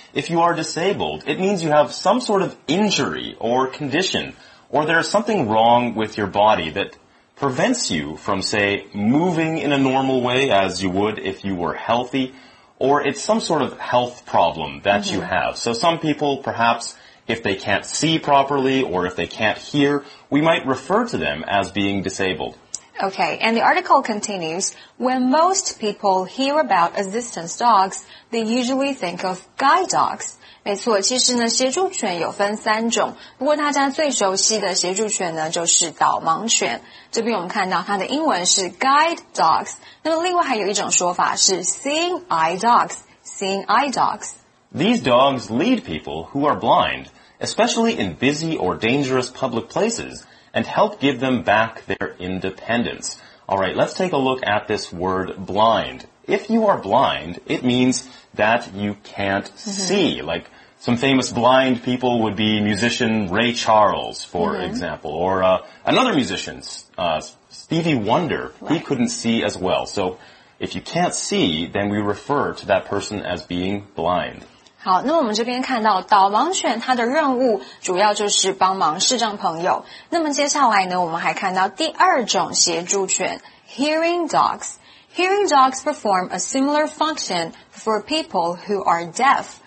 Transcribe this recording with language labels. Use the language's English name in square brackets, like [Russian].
[English] If you are disabled, it means you have some sort of injury or condition, or there is something wrong with your body that prevents you from, say, moving in a normal way as you would if you were healthy, or it's some sort of health problem that mm-hmm. you have. So some people, perhaps, if they can't see properly or if they can't hear, we might refer to them as being disabled. Okay, and the article continues, when most people hear about assistance dogs, they usually think of guide dogs. [Chinese] 没错，其实呢，协助犬有分三种，不过大家最熟悉的协助犬呢，就是导盲犬。这边我们看到它的英文是 guide dogs, 那么另外还有一种说法是 seeing eye dogs. [English] These dogs lead people who are blind, especially in busy or dangerous public places,and help give them back their independence. All right, let's take a look at this word blind. If you are blind, it means that you can't see. Like some famous blind people would be musician Ray Charles, for example, or another musician, Stevie Wonder. Right. He couldn't see as well. So if you can't see, then we refer to that person as being blind. [Chinese] 好，那我们这边看到导盲犬它的任务主要就是帮忙视障朋友。那么接下来呢，我们还看到第二种协助犬 ,hearing dogs. [English] Hearing dogs perform a similar function for people who are deaf.